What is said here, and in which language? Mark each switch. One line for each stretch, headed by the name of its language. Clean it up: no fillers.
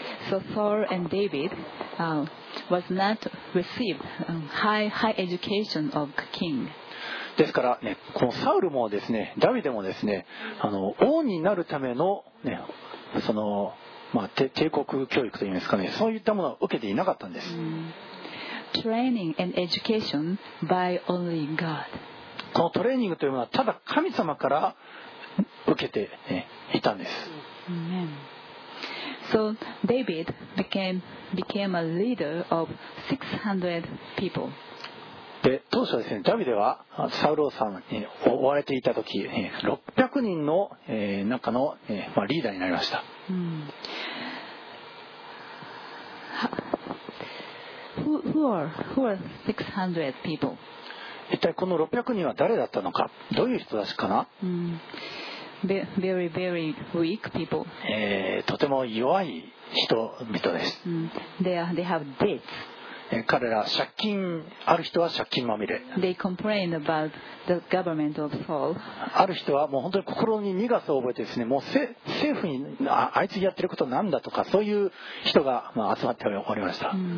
English: So Saul and David, was not received high education of king.
Japanese: ですから、ね、このサウルもですね、ダビデもですね、王になるための、ね、その、まあ、帝国教育といいますかね、そういったものを受けていなかったんです。
English: Training and education by only God.
Japanese: このトレーニングというのはただ神様から受けていたんです。
English: Amen. So David became a leader of 600 people.
Japanese: で当初はですね、ダビデはサウルさんに追われていた時、600人の中のリーダーになりました。
English: Who are 600 people?
Japanese: 一体この600人は誰だったのか、どういう人たちかな、
English: very, very weak people.
Japanese: とても弱い人々です。
English: They have debts.
Japanese: 彼ら借金ある人は借金まみれ。
English: They complain about the government of Saul.
Japanese: ある人はもう本当に心に苦さを覚えてですね、もう政府にあいつやってることなんだとか、そういう人が集まっておりました。